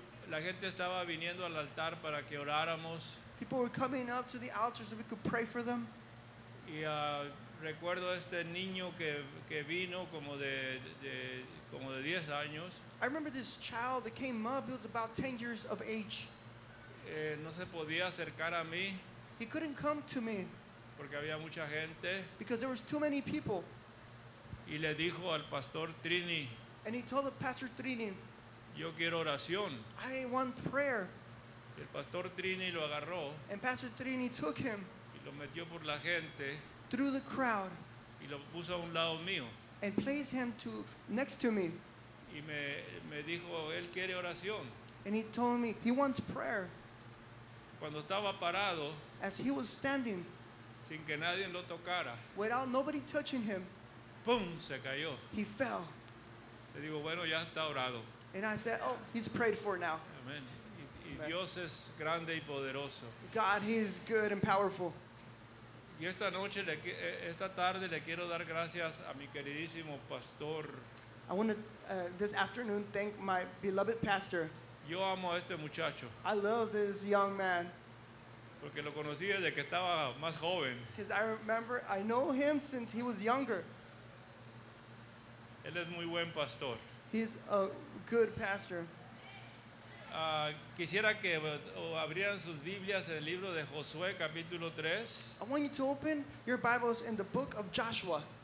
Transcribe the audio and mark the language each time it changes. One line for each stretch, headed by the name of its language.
Spanish: La gente estaba viniendo al altar para que oráramos.
English: People were coming up to the altar so we could pray for them.
Spanish: Y recuerdo este niño que vino como de 10 años.
English: I remember this child that came up. He was about 10 years of age.
Spanish: No se podía acercar a mí.
English: He couldn't come to me.
Spanish: Porque había mucha gente.
English: Because there was too many people.
Spanish: Y le dijo al pastor Trini.
English: And he told the pastor Trini.
Spanish: Yo quiero oración.
English: I want prayer.
Spanish: Y el pastor Trini lo agarró.
English: And pastor Trini took him.
Spanish: Y lo metió por la gente.
English: Through the crowd.
Spanish: Y lo puso a un lado mío.
English: And placed him next to me.
Spanish: Y me dijo, él quiere oración.
English: And he told me he wants prayer.
Spanish: Cuando estaba parado.
English: As he was standing.
Spanish: Sin que nadie lo tocara.
English: Without nobody touching him.
Spanish: Pum, se cayó.
English: He fell.
Spanish: Le digo, bueno, ya está orado.
English: And I said, oh, he's prayed for now.
Spanish: Amen. Y Dios es grande y poderoso.
English: God, he is good and powerful.
Spanish: Y esta tarde le quiero dar gracias a mi queridísimo pastor.
English: I want to this afternoon thank my beloved pastor.
Spanish: Yo amo a este muchacho.
English: I love this young man.
Spanish: Porque lo conocí desde que estaba más joven.
English: Because I remember, I know him since he was younger.
Spanish: Él es muy buen pastor.
English: He's a good pastor.
Spanish: Quisiera que abrieran sus Biblias en el libro de Josué, capítulo 3.
English: I want you to open your Bibles in the book of Joshua.